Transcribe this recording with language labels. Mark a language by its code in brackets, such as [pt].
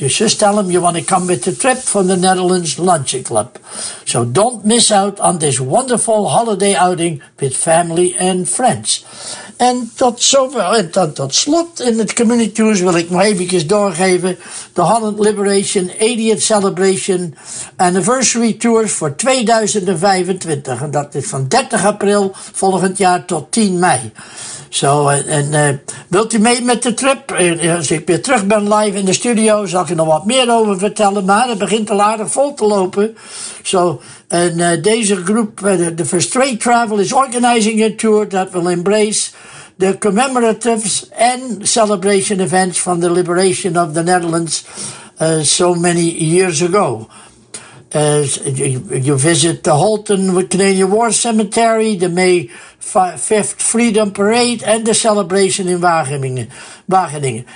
[en] You just tell them you want to come with a trip from the Netherlands Luncheon Club. So don't miss out on this wonderful holiday outing with family and friends. [nl] En tot zover, en dan tot slot in het Community News wil ik nog eventjes doorgeven. De Holland Liberation 80th Celebration Anniversary Tours voor 2025. En dat is van 30 april volgend jaar tot 10 mei. Zo, wilt u mee met de trip? Als ik weer terug ben live in de studio, zal ik er nog wat meer over vertellen. Maar het begint al aardig vol te lopen. Zo, en deze groep, [en] de First Trade Travel, is organizing a tour that will embrace the commemoratives and celebration events from the liberation of the Netherlands so many years ago. You visit the Holton Canadian War Cemetery, the May 5th Freedom Parade and the celebration in Wageningen.